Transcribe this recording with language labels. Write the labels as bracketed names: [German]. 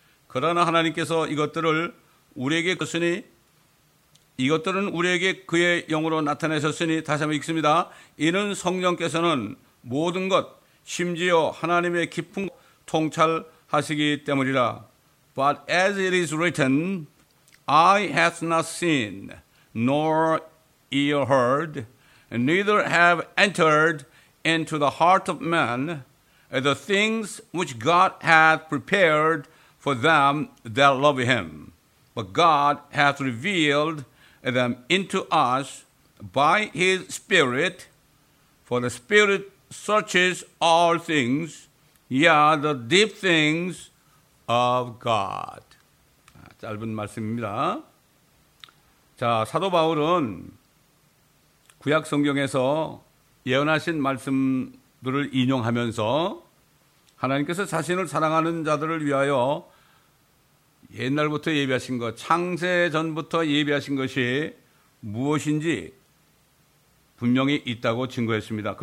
[Korean] 그러나 하나님께서 이것들을 우리에게 그으니 이것들은 우리에게 그의 영으로 나타내셨으니 다시 한번 읽습니다. 이는 성령께서는 모든 것 심지어 하나님의 깊은 통찰하시기 때문이라. [English] But as it is written, I has not seen, nor ear heard, neither have entered into the heart of man the things which God hath prepared for them that love him. But God hath revealed them into us by his Spirit, for the Spirit searches all things, yea, the deep things of God. [Korean] 짧은 말씀입니다. 자, 사도 바울은 구약 성경에서 예언하신 말씀들을 인용하면서 하나님께서 자신을 사랑하는 자들을 위하여 옛날부터 예비하신 것, 창세 전부터 예비하신 것이 무엇인지 분명히 있다고 증거했습니다.